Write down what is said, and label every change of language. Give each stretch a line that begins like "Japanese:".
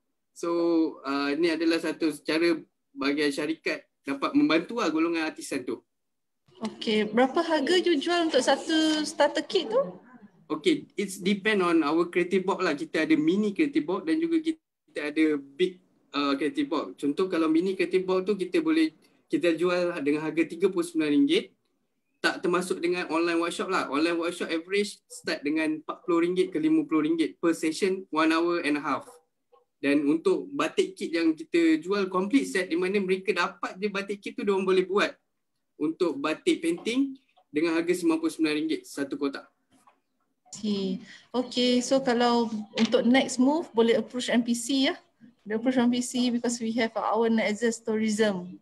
Malay: So ini adalah satu cara bagi syarikat dapat membantu lah golongan artisan tu. Okay, berapa harga you jual untuk satu starter kit tu?
English: Okay, it's depend on our creative box lah.
Malay: Kita ada mini creative box dan juga kita ada big creative box. Contoh kalau mini creative box tu kita boleh kita jual dengan harga RM39. Tak termasuk dengan
English: online workshop lah. Online workshop average start dengan RM40 ke RM50 per session 1.5 hours.
Malay: Dan untuk batik kit yang kita jual complete set di mana mereka dapat je batik kit tu diorang boleh buat untuk batik painting dengan harga RM99 satu kotak.
English: Okay, so
Malay: kalau untuk
English: next move boleh approach MPC ya. Boleh approach MPC because we have our Nexus Tourism.